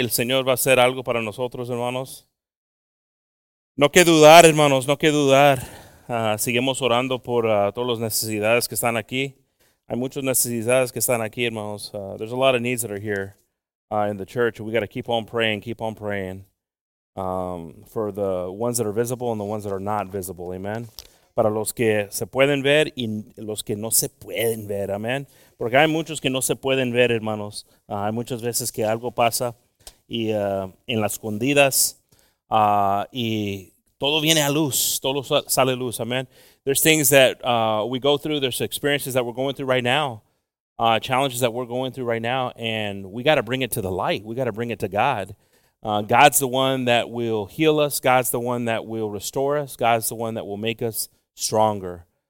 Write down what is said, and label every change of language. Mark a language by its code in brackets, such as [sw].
[es] El Señor va a hacer algo para nosotros, hermanos. No que dudar, hermanos, no que dudar. Seguimos orando por todas las necesidades que están aquí. Hay muchas necesidades que están aquí, hermanos. [en] There's a lot of needs that are here in the church. We got to keep on praying for the ones that are visible and the ones that are not visible. Amen. [es] Para los que se pueden ver y los que no se pueden ver. Amen. Porque hay muchos que no se pueden ver, hermanos. Hay muchas veces que algo pasa y en las escondidas. Y todo viene a luz, todo sale luz, amen. [en] There's things that we go through, there's experiences that we're going through right now, challenges that we're going through right now, and we got to bring it to the light. We got to bring it to God. God's the one that will heal us. God's the one that will restore us. God's the one that will make us stronger.